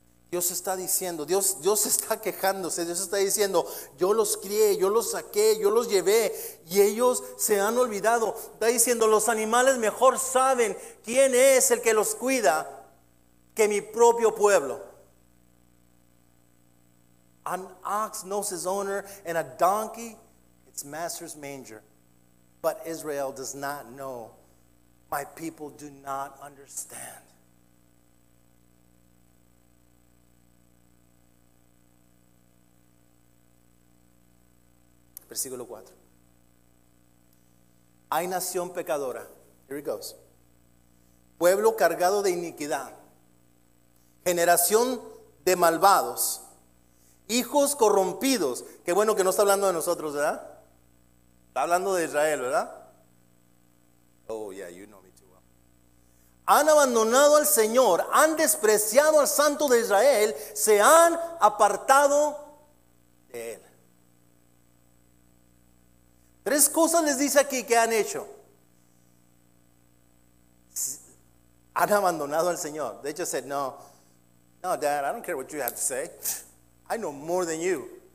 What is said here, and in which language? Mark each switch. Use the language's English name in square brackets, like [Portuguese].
[Spanish] Dios está diciendo, Dios está quejándose, Dios está diciendo, yo los crié, yo los saqué, yo los llevé, y ellos se han olvidado. Está diciendo, los animales mejor saben quién es el que los cuida que mi propio pueblo. [English] An ox knows his owner and a donkey its master's manger, but Israel does not know. My people do not understand. [Spanish] Versículo 4. Hay nación pecadora. [English] Here it goes. [Spanish] Pueblo cargado de iniquidad. Generación de malvados. Hijos corrompidos. Qué bueno que no está hablando de nosotros, ¿verdad? Está hablando de Israel, ¿verdad? [English] Oh, yeah, you know me too well. [Spanish] Han abandonado al Señor. Han despreciado al Santo de Israel. Se han apartado de Él. Tres cosas les dice aquí que han hecho. Han abandonado al Señor. [English] They just said, no, Dad, I don't care what you have to say. I know more than you.